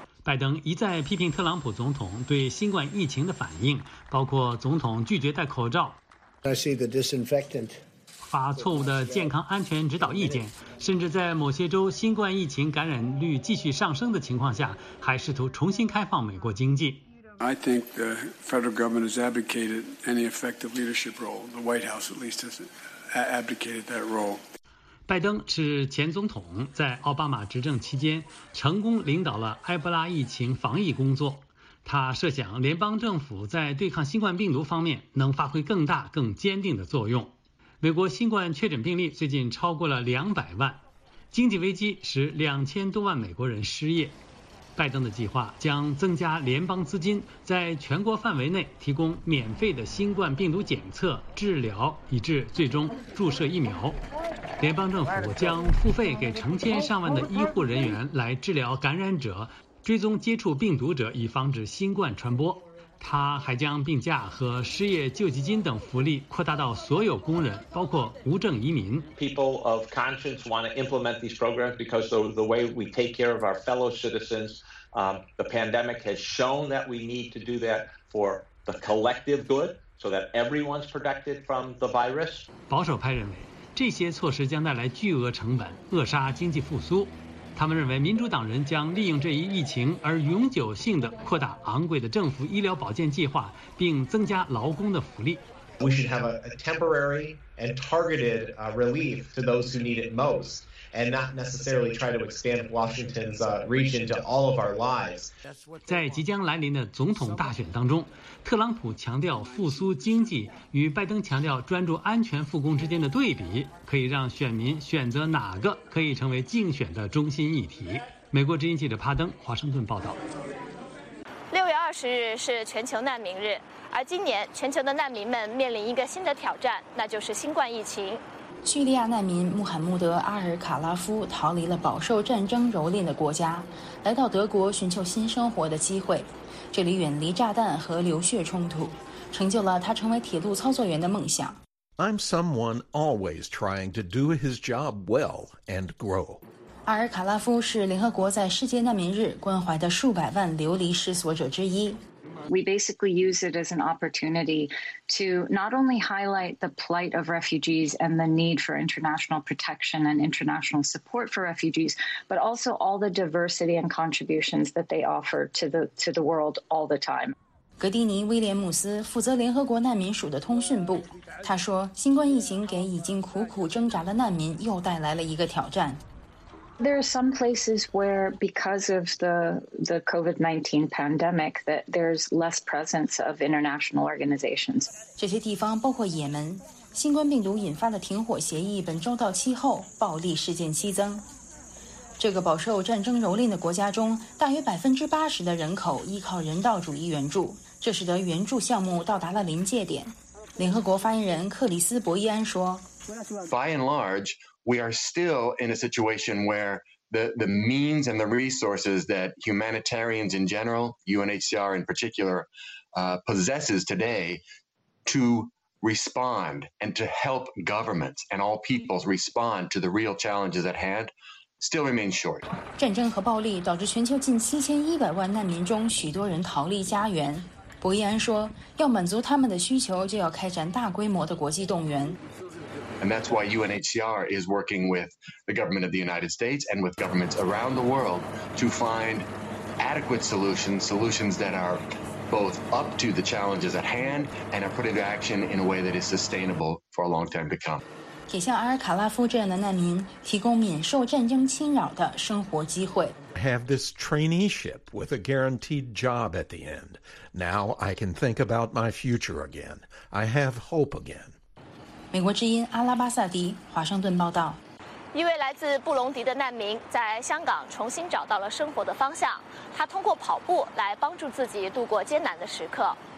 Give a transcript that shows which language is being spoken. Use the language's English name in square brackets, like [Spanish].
[Chinese] 拜登一再批评特朗普总统对新冠疫情的反应，包括总统拒绝戴口罩、 [English] I see the disinfectant. [Chinese] 发错误的健康安全指导意见，甚至在某些州新冠疫情感染率继续上升的情况下，还试图重新开放美国经济。 [English] I think the federal government has abdicated any effective leadership role. The White House, at least, has abdicated that role. [Chinese] 拜登是前总统，在奥巴马执政期间成功领导了埃博拉疫情防疫工作。他设想联邦政府在对抗新冠病毒方面能发挥更大、更坚定的作用。美国新冠确诊病例最近超过了200万，经济危机使2000多万美国人失业。拜登的计划将增加联邦资金，在全国范围内提供免费的新冠病毒检测、治疗，以至最终注射疫苗。联邦政府将付费给成千上万的医护人员来治疗感染者、追踪接触病毒者，以防止新冠传播。他还将病假和失业救济金等福利扩大到所有工人，包括无证移民。 [English] People of conscience want to implement these programs because of the way we take care of our fellow citizens. The pandemic has shown that we need to do that for the collective good, so that everyone's protected from the virus. [Chinese] 保守派认为，这些措施将带来巨额成本，扼杀经济复苏。他们认为民主党人将利用这一疫情而永久性地扩大昂贵的政府医疗保健计划，并增加劳工的福利。 [English] We should have a temporary and targeted relief to those who need it most, and not necessarily try to expand Washington's reach into all of our lives. [Chinese] 在即将来临的总统大选当中，特朗普强调复苏经济与拜登强调专注安全复工之间的对比，可以让选民选择哪个可以成为竞选的中心议题。美国之音记者帕登，华盛顿报道。 6月20日是全球难民日。而今年全球的难民们面临一个新的挑战，那就是新冠疫情。叙利亚难民穆罕默德·阿尔卡拉夫逃离了饱受战争蹂躏的国家，来到德国寻求新生活的机会。这里远离炸弹和流血冲突，成就了他成为铁路操作员的梦想。 [English] I'm someone always trying to do his job well and grow. [Chinese] 阿尔卡拉夫是联合国在世界难民日关怀的数百万流离失所者之一。 [English] We basically use it as an opportunity to not only highlight the plight of refugees and the need for international protection and international support for refugees, but also all the diversity and contributions that they offer to the world all the time. [Chinese] 格蒂尼·威廉姆斯负责联合国难民署的通讯部，他说，新冠疫情给已经苦苦挣扎的难民又带来了一个挑战。 [English] There are some places where, because of the COVID-19 pandemic, that there's less presence of international organizations. [Chinese] 这些地方包括也门，新冠病毒引发的停火协议本周到期后，暴力事件激增。这个饱受战争蹂躏的国家中，大约80%的人口依靠人道主义援助，这使得援助项目到达了临界点。联合国发言人克里斯·博伊安说 [English] ：“By and large.” We are still in a situation where the means and the resources that humanitarians in general, UNHCR in particular, possesses today to respond and to help governments and all peoples respond to the real challenges at hand still remains short. [Chinese] 战争和暴力导致全球近7100万难民中许多人逃离家园。博伊安说，要满足他们的需求，就要开展大规模的国际动员。 [English] And that's why UNHCR is working with the government of the United States and with governments around the world to find adequate solutions, solutions that are both up to the challenges at hand and are put into action in a way that is sustainable for a long time to come. [Chinese] 给像阿尔卡拉夫这样的难民提供免受战争侵扰的生活机会。 [English] Have this traineeship with a guaranteed job at the end. Now I can think about my future again. I have hope again. [Chinese] 美国之音阿拉巴萨迪，华盛顿报道。一位来自布隆迪的难民在香港重新找到了生活的方向，他通过跑步来帮助自己度过艰难的时刻。